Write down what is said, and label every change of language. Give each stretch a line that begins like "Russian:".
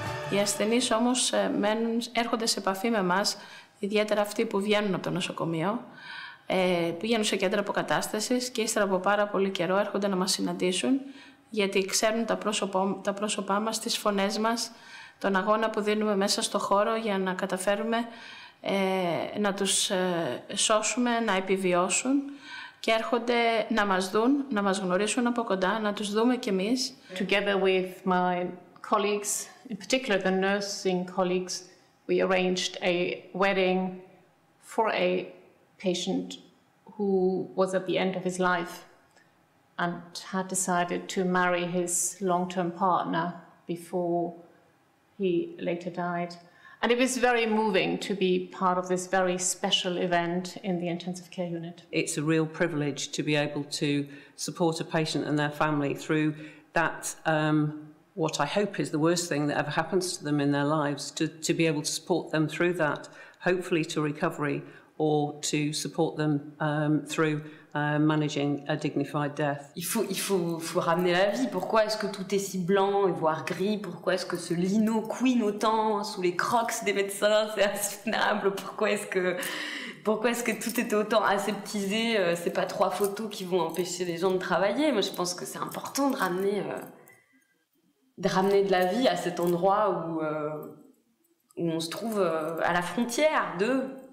Greek: Οι ασθενείς όμως έρχονται σε επαφή με εμάς, ιδιαίτερα αυτοί που βγαίνουν από το νοσοκομείο, πηγαίνουν σε κέντρα αποκατάστασης και ύστερα από πάρα πολύ καιρό έρχονται να μας συναντήσουν, γιατί ξέρουν τα πρόσωπά μας, τις φωνές μας, τον αγώνα που δίνουμε μέσα στο χώρο για να καταφέρουμε να τους σώσουμε, να επιβιώσουν και έρχονται να μας δουν, να μας γνωρίσουν από κοντά, να τους δούμε κι εμείς.
English: Together with my colleagues, in particular the nursing colleagues, we arranged a wedding for a patient who was at the end of his life and had decided to marry his long-term partner before he later died. And it was very moving to be part of this very special event in the intensive care unit. It's a real privilege to be able to support a patient and their family through that, what I hope is the worst thing that ever happens to them in their lives, to be able to support them through that, hopefully to recovery, or to support them through managing a dignified death.
French: Il faut ramener la vie. Pourquoi est-ce que tout est si blanc et voire gris? Pourquoi est-ce que ce lino couine autant sous les crocs des médecins? C'est insoutenable. Pourquoi est-ce que tout est autant aseptisé? C'est pas trois photos qui vont empêcher les gens de travailler. Moi, je pense que c'est important de ramener de la vie à cet endroit où on se trouve à la frontière de.